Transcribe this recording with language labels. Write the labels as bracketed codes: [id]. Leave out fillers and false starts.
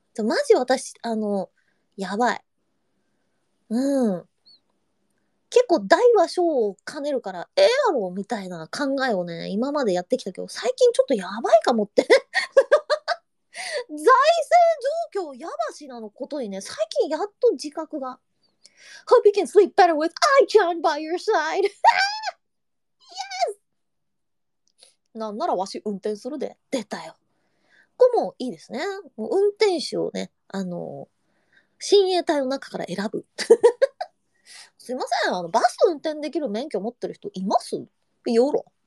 [ja] マジ私、やばい。うん。結構大は小を兼ねるから、ええやろ、みたいな考えをね、今までやってきたけど、最近ちょっとやばいかもって。財政状況やばしなのことにね、最近やっと自覚が。 [en] Hope you can sleep better with I can by your side! Yes! [ja] なんならわし運転するで。出たよ。ここもいいですね。もう運転手をね、親衛隊の中から選ぶ。すいません、バス運転できる免許持ってる人います？よろ。